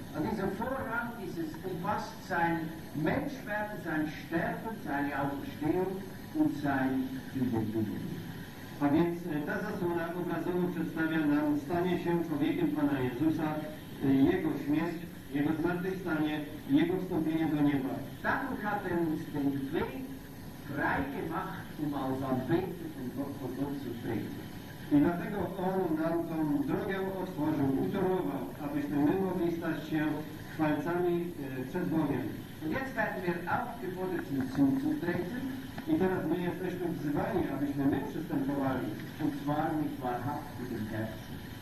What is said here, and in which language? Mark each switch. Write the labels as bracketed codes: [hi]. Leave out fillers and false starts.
[de] A diese Vorrang, dieses umfasst sein Menschwerden, sein Sterben, seine Auferstehung und sein Wiedergeburt. [pl] A więc ta zasłona obrazowo przedstawia nam stanie się człowiekiem Pana Jezusa, jego śmierć, jego zmartwychwstanie, jego wstąpienie do nieba. [de] Dadurch hat er uns den Weg frei gemacht, um als Anbeter von Gott zu treten. [pl] I dlatego on nam tą drogę otworzył, utorował, abyśmy my mogli stać się chwalcami przed Bogiem. [de] Jetzt werden wir aufgefordert hinzutreten. [pl] I teraz my jesteśmy wzywani, abyśmy my przystępowali. [de] Und zwar mit wahrhaftigem Herzen.